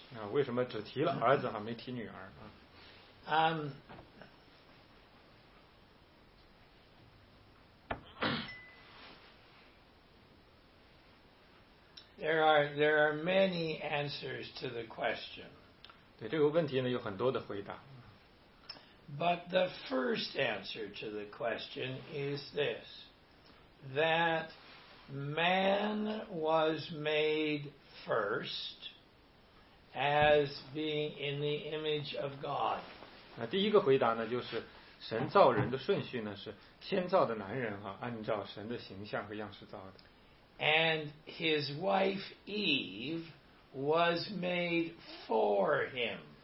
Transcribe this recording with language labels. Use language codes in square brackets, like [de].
[zh] 为什么只提了儿子而没提女儿？ [en] There are many answers to the question. [zh] 对这个问题呢，有很多的回答。 [en] But the first answer to the question is this, that man was made first as being in the image of God. [zh] 那第一个回答呢，就是神造人的顺序呢，是先造的男人哈，按照神的形象和样式造的。 [en] And his wife Eve was made for him.